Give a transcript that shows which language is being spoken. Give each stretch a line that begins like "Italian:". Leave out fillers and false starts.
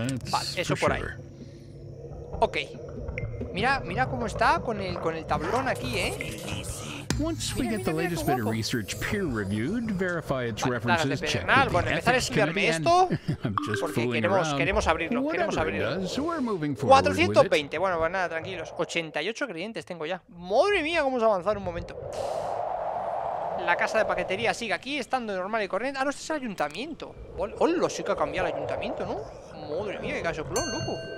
Spanish: Vale, eso por ahí. Ok. Mira, mira cómo está con el tablón aquí, ¿eh?
English: Once we get the latest bit of research peer reviewed, verify its references, check with the ethics committee, and I'm just fooling around.
Spanish: Queremos abrirlo, queremos abrirlo. 420, bueno, pues nada, tranquilos. 88 clientes tengo ya. Madre mía, cómo hemos avanzado un momento. La casa de paquetería sigue aquí, estando normal y corriente. Ah, no, este es el ayuntamiento. Hola, sí que ha cambiado el ayuntamiento, ¿no? Madre mía, qué casoplón, loco.